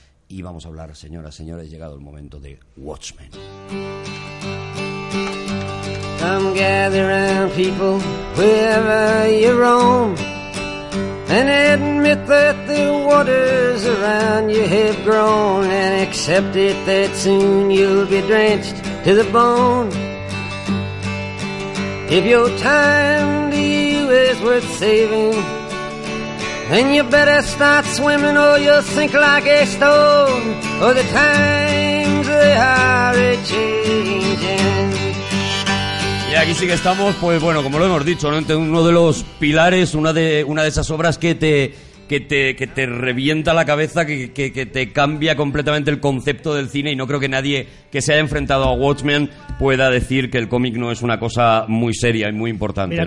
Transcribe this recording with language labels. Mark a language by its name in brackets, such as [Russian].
[Spanish] Y vamos a hablar, señoras y señores, llegado el momento de Watchmen. [English] Come gather around people wherever you roam, and admit that the waters around you have grown, and accept it that soon you'll be drenched to the bone. If your time to you is worth saving, then you better start swimming or you'll sink like a stone. For the times they are a-changing. [Spanish] Y aquí sí que estamos, pues bueno, como lo hemos dicho, ¿no? Entre uno de los pilares, una de esas obras que te revienta la cabeza, que te cambia completamente el concepto del cine, y no creo que nadie que se haya enfrentado a Watchmen pueda decir que el cómic no es una cosa muy seria y muy importante.